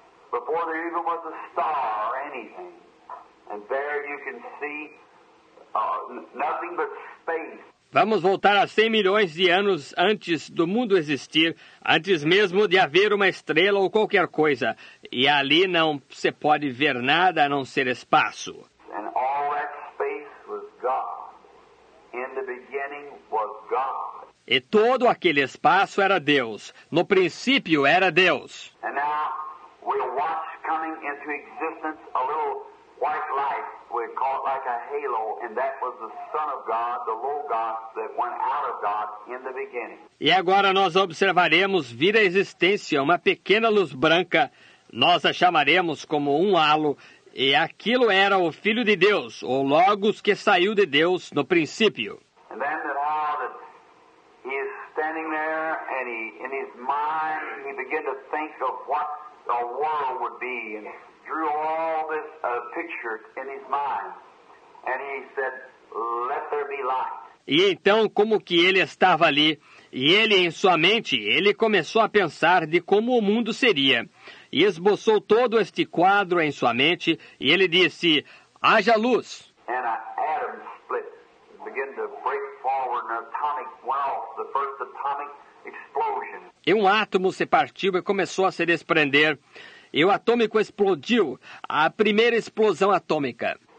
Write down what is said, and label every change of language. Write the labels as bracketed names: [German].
[English] Before there even was a star or anything. And there you can see nothing but space. [Portuguese] Vamos voltar a 100 milhões de anos antes do mundo existir, antes mesmo de haver uma estrela ou qualquer coisa. E ali não se pode ver nada a não ser espaço. [English] And all that space was God. In the beginning was God. [Portuguese] E todo aquele espaço era Deus. No princípio era Deus. [English] And now, we'll watch coming into existence a little white light. We call it like a halo, and that was the Son of God, the Logos, that went out of God in the beginning. [Portuguese] E agora nós observaremos vir à existência uma pequena luz branca. Nós a chamaremos como um halo, e aquilo era o Filho de Deus, o Logos que saiu de Deus no princípio. [English] And then the he is standing there, and he, in his mind, he began to think of what the world would be, and drew all this picture in his mind, and he said, "Let there be light." [Portuguese] E então, como que ele estava ali, e ele em sua mente, ele começou a pensar de como o mundo seria, e esboçou todo este quadro em sua mente, e ele disse, "Haja luz." [English] And an atom split, began to break forward, an atomic well, the first atomic explosion. [Portuguese] E um átomo se partiu e começou a se desprender. E o atômico explodiu, a primeira explosão atômica.